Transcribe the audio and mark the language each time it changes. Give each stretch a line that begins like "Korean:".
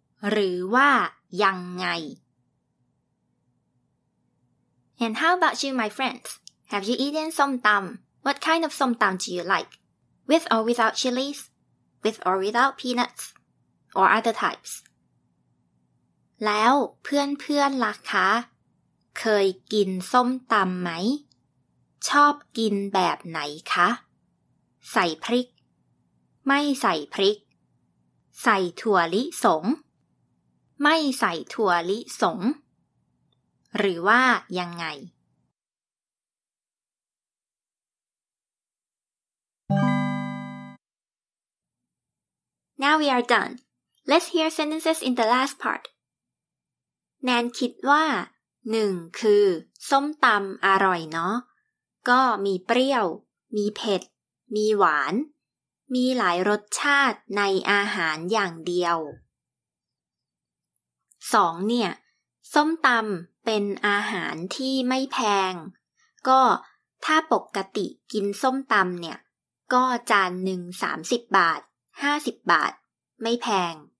Thai: หรือว่ายังไง
English: And how about you my friends have you eaten som tam what kind of som tam do you like with or without chilies with or without peanuts or other types
Thai: แล้วเพื่อนเพื่อนล่ะคะเคยกินส้มตำไหมชอบกินแบบไหนคะใส่พริกไม่ใส่พริกใส่ถั่วลิสง ไม่ใส่ถั่วลิสงหรือว่ายังไง
English: Now we are done. Let's hear sentences in the last part.
Thai: Nan คิดว่า 1. คือส้มตำอร่อยเนาะก็มีเปรี้ยวมีเผ็ดมีหวานมีหลายรสชาติในอาหารอย่างเดียว 2. เนี่ยส้มตำเป็นอาหารที่ไม่แพงก็ถ้าปกติกินส้มตำเนี่ยก็จานหนึ่ง30บาท50บาทไม่แพง